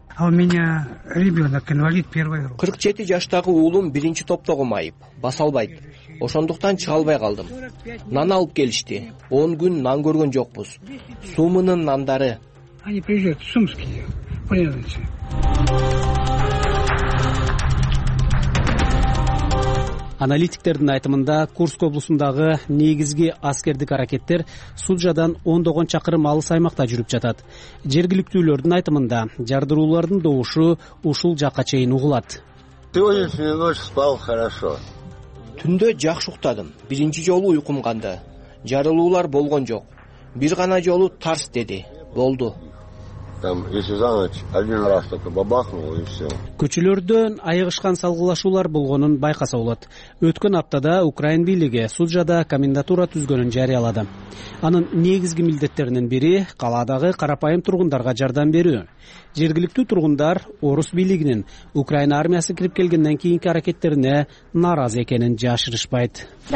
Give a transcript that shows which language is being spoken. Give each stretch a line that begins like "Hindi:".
Russian: А у меня ребенок инвалид первой группы.
Kyrgyz: 47 жаштагы уулум биринчи топто кумайып, баса албайт. Ошондуктан чыга албай калдым. Нан алып келишти. 10 күн нан көргөн жокпуз. Сумунун нандары.
Russian: Они приезжают в Сумские, понимаете?
Kyrgyz: Аналитиктердин айтымында Курск облусундагы негизги аскердик аракеттер Суджадан ондогон чакырым алыс аймакта жүрүп жатат. Жергиликтүүлөрдүн айтымында жардыруулардын добушу ушул жакка чейин угулат.
Russian: Сегодняшнюю ночь спал хорошо.
Kyrgyz: Түндө жакшы уктадым. Биринчи жолу уйкум канды. Жарылуулар болгон жок. Бир гана жолу тарс деди. Болду.
Russian: Там, если за ночь один раз только бабахнуло, и все.
Kyrgyz: Көчөлөрдөн айыгышкан салгылашуулар болгонун байкаса болот. Өткөн аптада Украин бийлиги Суджада комендатура түзгөнүн жарыялады. Анын негизги милдеттеринин бири калаадагы карапайым тургундарга жардам берүү. Жергиликтүү тургундар орус бийлигинин Украин армиясы кирип келгенден кийинки аракеттерине нааразы экенин жашырышпайт.